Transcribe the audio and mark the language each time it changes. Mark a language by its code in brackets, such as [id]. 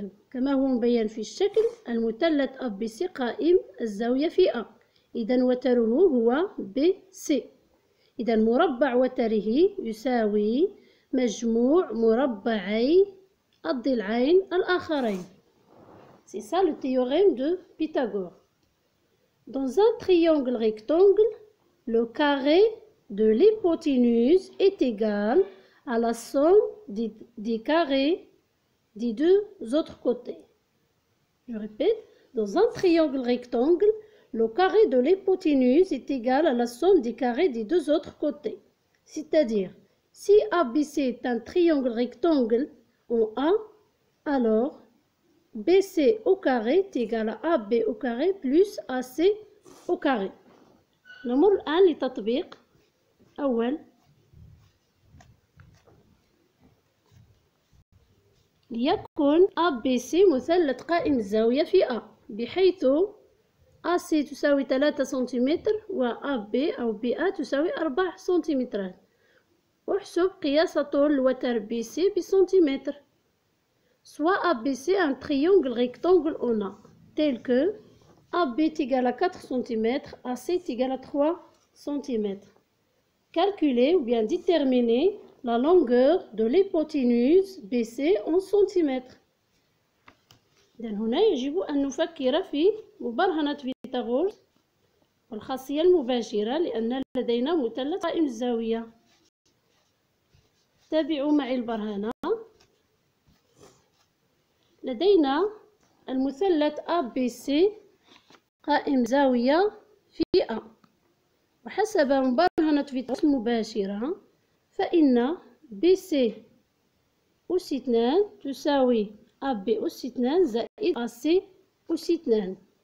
[ar] كما هو مبين في الشكل، المثلث ABC قائم الزاوية في A، إذا وتره هو BC. إذا مربع وتره يساوي مجموع مربعي الضلعين الآخرين. [fr] C'est ça le théorème de Pythagore. Dans un triangle rectangle, le carré de l'hypoténuse est égal à la somme des carrés des deux autres côtés. Je répète, dans un triangle rectangle, le carré de l'hypoténuse est égal à la somme des carrés des deux autres côtés. C'est-à-dire, si ABC est un triangle rectangle en A, alors BC au carré est égal à AB au carré plus AC au carré. [ar] نمر الآن لتطبيق. أول، ليكن ABC مثلث قائم الزاوية في A، بحيث AC تساوي 3 سنتيمتر و AB أو BA تساوي 4 سنتيمترات. احسب قياس طول الوتر BC بسنتيمتر. [fr] Soit ABC un triangle rectangle en A, tel que AB est égal à 4 cm, AC est égal à 3 cm. Calculer ou bien déterminer la longueur de l'hypoténuse BC en cm. [ar] Donc, هنا يجب أن نفكر في مبرهنة فيثاغورس والخاصية المباشرة لأن لدينا مثلث قائم الزاوية. تابعوا معي البرهنة. لدينا المثلث ABC قائم زاوية في A، وحسب مبرهنة فيثاغورس المباشرة فإن BC أس 2 تساوي AB أس 2 زائد AC أس 2.